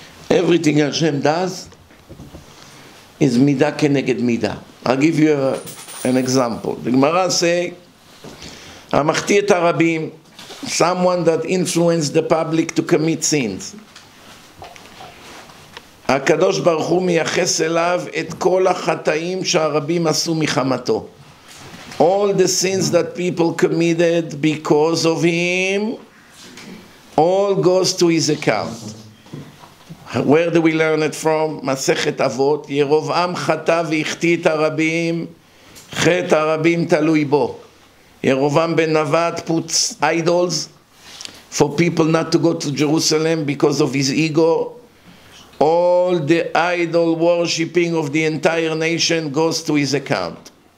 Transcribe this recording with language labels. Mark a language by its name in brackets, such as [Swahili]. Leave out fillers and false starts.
[English] Everything Hashem does is midah keneged midah. I'll give you an example. The Gemara say, [Hebrew] "Amachti et harabim," [English] someone that influenced the public to commit sins. [Hebrew] הקדוש ברוך הוא מייחס אליו את כל החטאים שהרבים עשו מחמתו. All the sins that people committed because of him, all goes to his account. [English] Where do we learn it from? [Hebrew] מסכת אבות. ירובעם חטא והחטיא את הרבים, חטא הרבים תלוי בו. [English] ירובעם בן נבט puts idols for people not to go to Jerusalem because of his ego. All the idol worshipping of the entire nation goes to his account.